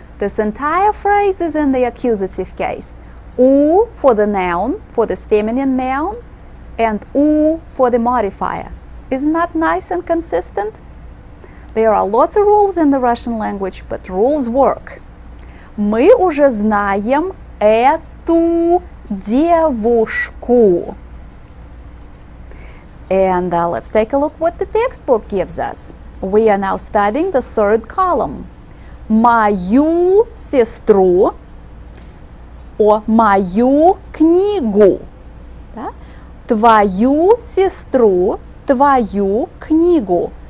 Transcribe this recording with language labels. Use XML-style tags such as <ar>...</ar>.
<en>This entire phrase is in the accusative case. У for the noun, for this feminine noun, and у for the modifier. Isn't that nice and consistent? There are lots of rules in the Russian language, but rules work.</en> <ru>Мы уже знаем эту девушку.</ru> <en>And let's take a look what the textbook gives us. We are now studying the third column.</en> <ru>Мою сестру. о мою книгу. Да? Твою сестру, твою книгу.</ru>